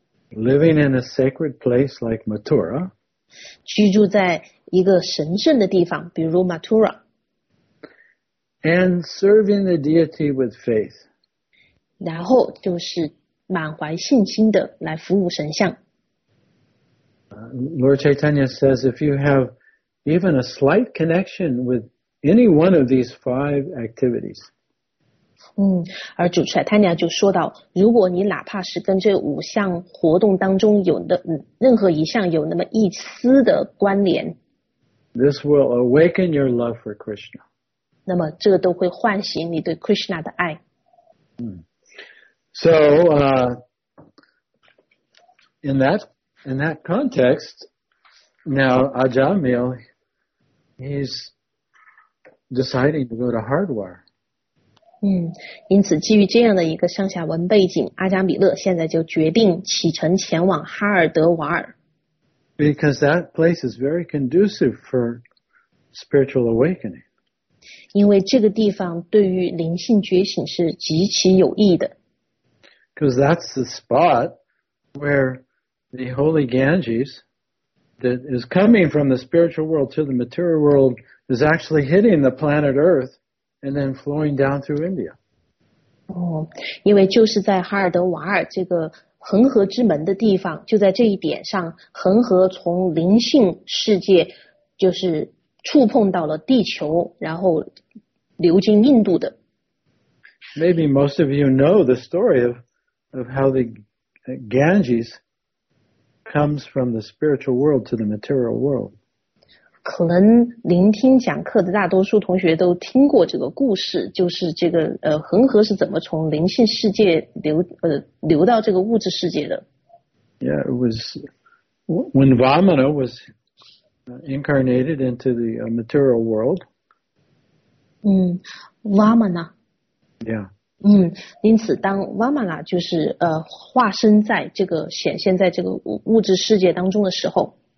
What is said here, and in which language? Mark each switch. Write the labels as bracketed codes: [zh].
[en] Living in a sacred place like Mathura. [zh] 居住在一个神圣的地方，比如 Mathura. [en] And serving the deity with faith. [zh] 然后就是满怀信心的来服务神像。 [en] Lord Chaitanya says, if you have even a slight connection with any one of these five activities, [zh] 而主 Chaitanya 就说到，如果你哪怕是跟这五项活动当中有的任何一项有那么一丝的关联， [en] this will awaken your love for Krishna. [zh] 那么这个都会唤醒你对 Krishna 的爱。 [en] So, in that context, now Ajamil, he's deciding to go to Hardwar. [zh] 因此基于这样的一个上下文背景，阿加米勒现在就决定启程前往哈尔德瓦尔。 [en] Because that place is very conducive for spiritual awakening. [zh] 因为这个地方对于灵性觉醒是极其有益的。 [en] Because that's the spot where the holy Ganges that is coming from the spiritual world to the material world is actually hitting the planet Earth and then flowing down through India. [zh] 因为就是在哈尔德瓦尔这个恒河之门的地方，就在这一点上，恒河从灵性世界就是触碰到了地球，然后流经印度的。 [en] Maybe most of you know the story of how the Ganges comes from the spiritual world to the material world. [zh] 可能聆听讲课的大多数同学都听过这个故事，就是这个恒河是怎么从灵性世界流到这个物质世界的。 [en] Yeah, it was when Vamana was incarnated into the material world. Vamana. Yeah. [zh] 因此当 Vamana 就是化身在这个显现在这个物质世界当中的时候。